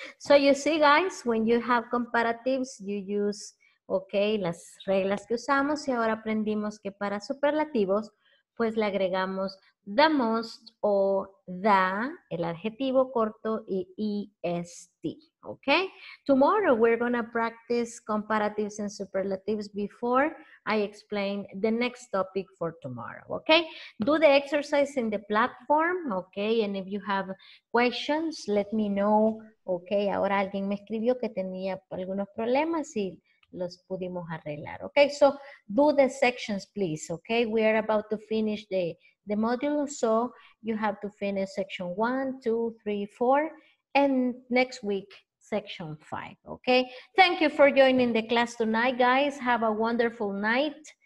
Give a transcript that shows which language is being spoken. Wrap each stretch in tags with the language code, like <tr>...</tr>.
<en>So you see, guys, when you have comparatives, you use, okay,</en> <es>las reglas que usamos y ahora aprendimos que para superlativos, pues le agregamos the most o the, el adjetivo corto, y est, okay?</es> <en>Tomorrow we're gonna practice comparatives and superlatives before I explain the next topic for tomorrow, okay? Do the exercise in the platform, okay? And if you have questions, let me know, okay?</en> <es>Ahora alguien me escribió que tenía algunos problemas y los pudimos arreglar.</es> <en>Okay, so do the sections, please. Okay, we are about to finish the module, so you have to finish section 1, 2, 3, 4, and next week section 5. Okay, thank you for joining the class tonight, guys. Have a wonderful night.</en>